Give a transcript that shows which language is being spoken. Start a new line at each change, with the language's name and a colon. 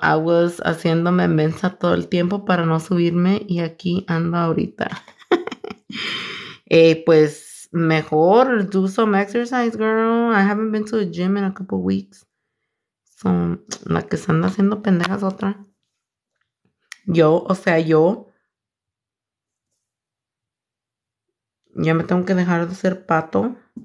English: I was
Spanish: haciéndome mensa todo el tiempo para no subirme y aquí ando ahorita. pues mejor
English: do some exercise, girl. I haven't been to a gym in a couple weeks.
Spanish: So, la que se anda haciendo pendejas otra. Yo, o sea, yo. Ya me tengo que dejar de ser pato.